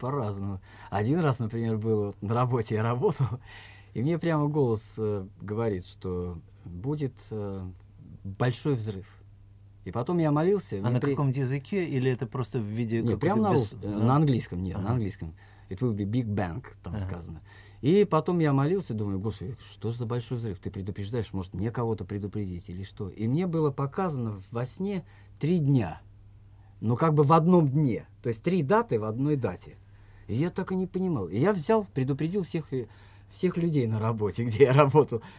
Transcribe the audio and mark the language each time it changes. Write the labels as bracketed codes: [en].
[ru] по-разному. Один раз, например, был вот на работе, я работал, и мне прямо голос говорит, что будет большой взрыв. И потом я молился. А на каком-то языке или это просто в виде... Нет, прямо на английском. Нет, на английском. [en] It will be Big Bang, [ru] там сказано. И потом я молился, думаю, Господи, что же за большой взрыв? Ты предупреждаешь, может, мне кого-то предупредить или что? И мне было показано во сне 3 дня, но как бы в одном дне. То есть 3 даты в одной дате. И я так и не понимал. И я взял, предупредил всех людей на работе, где я работал.